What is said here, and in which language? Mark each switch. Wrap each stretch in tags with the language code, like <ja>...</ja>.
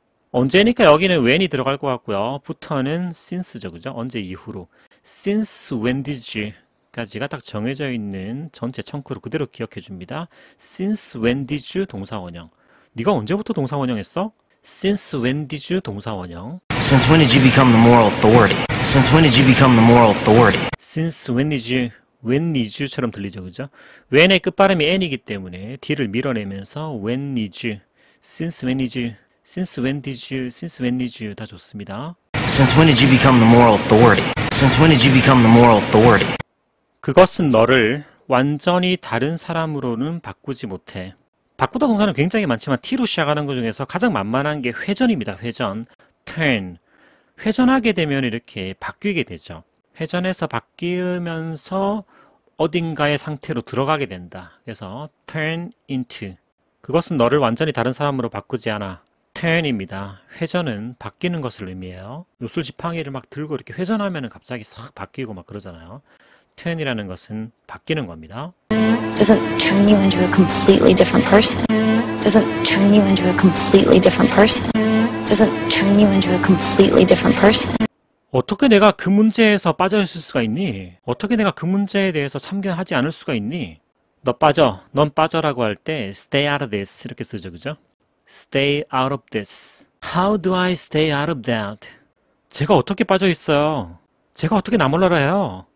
<ko>언제니까 여기는 when이 들어갈 것 같고요. 부터는 since죠, 그죠? 언제 이후로.</ko> <en>since when did you</en> <ko>까지가 딱 정해져 있는 전체 청크로 그대로 기억해 줍니다.</ko> <en>since when did you 동사원형.</en> <ko>네가 언제부터 동사원형했어?</ko> <en>Since when did you 동사원형? Since when did you become the moral authority? Since when did you become the moral authority? Since when did you? When did you처럼</en> <ko>들리죠, 그죠?</ko> <en>When의</en> <ko>끝발음이 N이기 때문에 D를 밀어내면서</ko> <en>When did you? Since when did you? Since when did you? Since when did you?</en> <ko>다 좋습니다.</ko> <en>Since when did you become the moral authority? Since when did you become the moral authority?</en> <ko>그것은 너를 완전히 다른 사람으로는 바꾸지 못해. 바꾸다 동사는 굉장히 많지만 T로 시작하는 것 중에서 가장 만만한 게 회전입니다. 회전, turn. 회전하게 되면 이렇게 바뀌게 되죠. 회전해서 바뀌면서 어딘가의 상태로 들어가게 된다. 그래서 turn into. 그것은 너를 완전히 다른 사람으로 바꾸지 않아. turn입니다. 회전은 바뀌는 것을 의미해요. 요술 지팡이를 막 들고 이렇게 회전하면 갑자기 싹 바뀌고 막 그러잖아요. turn이라는 것은 바뀌는 겁니다.</ko> <en>Doesn't turn you into a completely different person. Doesn't turn you into a completely different person. Doesn't turn you into a completely different person.</en> <ko>어떻게 내가 그 문제에서 빠져있을 수가 있니? 어떻게 내가 그 문제에 대해서 참견하지 않을 수가 있니? 너 빠져, 넌 빠져라고 할때</ko> <en>stay out of this</en> <ko>이렇게 쓰죠, 그죠?</ko> <en>Stay out of this. How do I stay out of that?</en> <ko>제가 어떻게 빠져있어요? 제가 어떻게 나몰라라요?</ko>